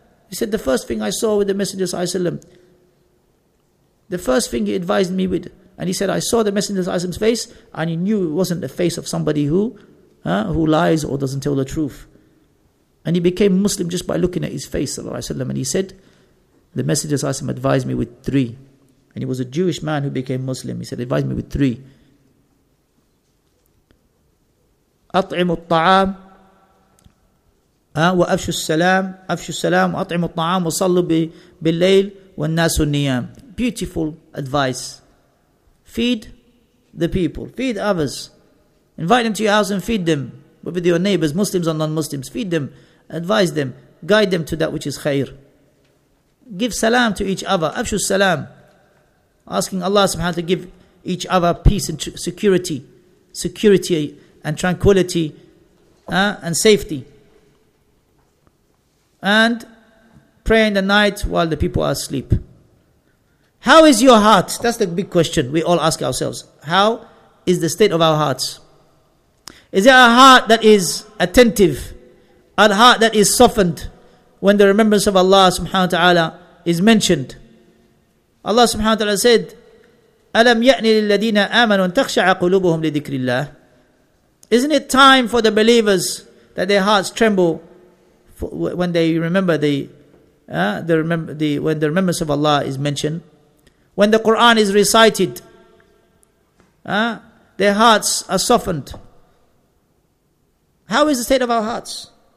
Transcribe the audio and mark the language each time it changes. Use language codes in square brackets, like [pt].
[en] He said, the first thing I saw with the Messenger of Allah, the first thing he advised me with, and he said, I saw the Messenger of Allah's face, and he knew it wasn't the face of somebody who lies or doesn't tell the truth. And he became Muslim just by looking at his face, sallallahu alayhi wa sallam. And he said, the Messenger of Allah advised me with 3. And he was a Jewish man who became Muslim. He said, advise me with 3. [ar] أطعم الطعام وأفشوا السلام أفشوا السلام وأطعموا الطعام وصلوا بالليل والناس النيام. [en] Beautiful advice. Feed the people. Feed others. Invite them to your house and feed them. Whether they're your neighbors, Muslims or non-Muslims. Feed them. Advise them. Guide them to that which is khair. Give salam to each other. [ar] أفشوا السلام. [en] Asking Allah subhanahu wa ta'ala to give each other peace and security. Security and tranquility and safety. And pray in the night while the people are asleep. How is your heart? That's the big question we all ask ourselves. How is the state of our hearts? Is it a heart that is attentive? A heart that is softened when the remembrance of Allah subhanahu wa ta'ala is mentioned? Allah subhanahu wa ta'ala said, [ar] أَلَمْ يَأْنِ لِلَّذِينَ آمَنُوا أَنْ تَخْشَعَ قُلُوبُهُمْ لِذِكْرِ اللَّهِ. [en] Isn't it time for the believers that their hearts tremble when they remember when the remembrance of Allah is mentioned, when the Quran is recited, their hearts are softened. How is the state of our hearts?